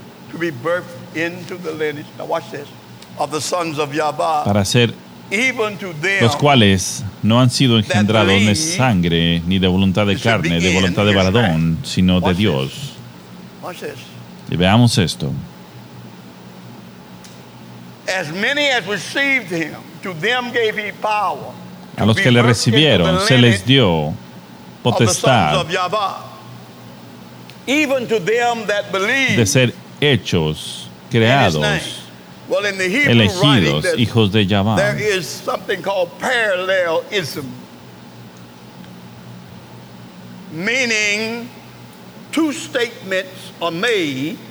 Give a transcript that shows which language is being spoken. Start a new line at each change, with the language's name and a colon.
English: To be birthed into the lineage, now watch this, of the sons of Yahvá.
Spanish: Para ser
English: even to them,
Spanish: los cuales no han sido engendrados de sangre, ni de voluntad de carne, de voluntad de varadón, sino
English: watch
Spanish: de Dios.
English: This.
Spanish: Y veamos esto.
English: As many as received him, to them gave he power.
Spanish: A los que le recibieron, se les dio potestad.
English: Of the sons of Yahvá, even to them that believe.
Spanish: De ser hechos, creados,
English: well, in the Hebrew
Spanish: elegidos, hijos de Yahvá.
English: There is something called parallelism, meaning two statements are made.